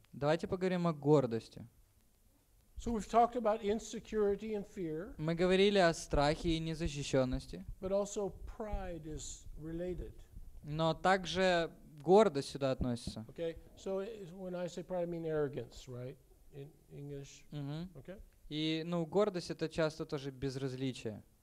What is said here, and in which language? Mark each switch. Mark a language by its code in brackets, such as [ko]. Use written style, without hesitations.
[ru] Давайте поговорим о гордости. [en] So we've talked about insecurity and fear. [ru] Мы говорили о страхе и незащищенности. [en] But also pride is related. [ru] Но также гордость сюда относится. [en] Okay, so when I say pride, I mean arrogance, right? In English. Mm-hmm. Okay. [ru] И, ну, гордость — это часто тоже безразличие.